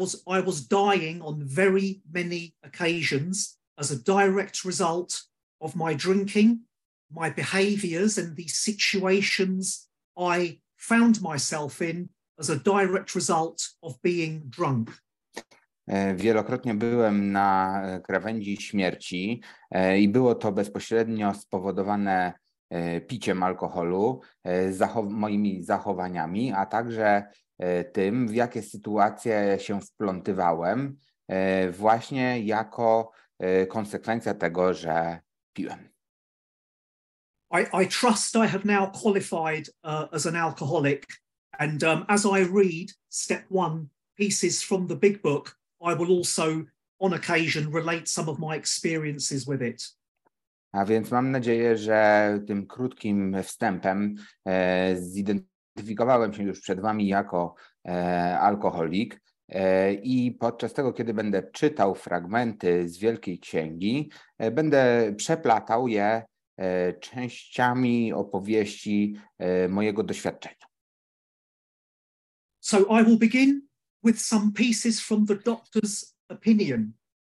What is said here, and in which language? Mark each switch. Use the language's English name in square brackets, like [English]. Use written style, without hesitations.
[English] I was dying on very many occasions as a direct result of my drinking, my behaviors and the situations I found myself in as a direct result of being drunk. [Polish] Wielokrotnie byłem na krawędzi śmierci i było to bezpośrednio spowodowane piciem alkoholu, moimi zachowaniami, a także tym, w jakie sytuacje się wplątywałem, właśnie jako konsekwencja tego, że piłem. [English] I trust I have now qualified as an alcoholic And as I read step one pieces from the big book, I will also, on occasion, relate some of my experiences with it. [Polish] A więc mam nadzieję, że tym krótkim wstępem zidentyfikowałem się już przed wami jako alkoholik. I podczas tego, kiedy będę czytał fragmenty z Wielkiej Księgi, będę przeplatał je częściami opowieści mojego doświadczenia. [English] So I will begin with some pieces from the doctor's opinion.